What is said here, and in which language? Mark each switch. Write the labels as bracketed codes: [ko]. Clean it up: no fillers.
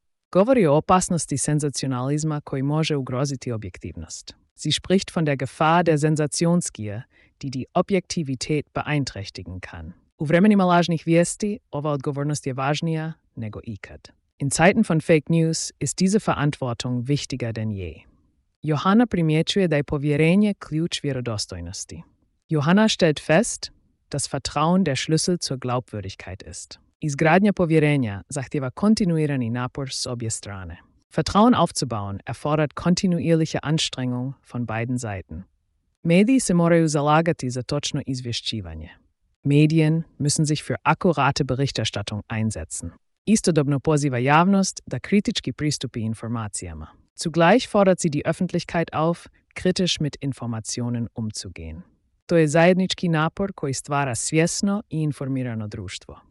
[hr] Govori o opasnosti senzacionalizma koji može ugroziti objektivnost. [de] Sie spricht von der Gefahr der Sensationsgier, die die Objektivität beeinträchtigen kann. [hr] U vremenima lažnih vijesti, ova odgovornost je važnija nego ikad. [de] In Zeiten von Fake News ist diese Verantwortung wichtiger denn je. [hr] Johanna primjećuje da je povjerenje ključ vjerodostojnosti. [de] Johanna stellt fest, dass Vertrauen der Schlüssel zur Glaubwürdigkeit ist. [hr] Izgradnja povjerenja zahtjeva kontinuirani napor s obje strane. [de] Vertrauen aufzubauen erfordert kontinuierliche Anstrengung von beiden Seiten. [hr] Mediji se moraju zalagati za točno izvješćivanje. [de] Medien müssen sich für akkurate Berichterstattung einsetzen. [hr] Istodobno poziva javnost da kritički pristupi informacijama. [de] Zugleich fordert sie die Öffentlichkeit auf, kritisch mit Informationen umzugehen. [hr] To je zajednički napor koji stvara svjesno i informirano društvo.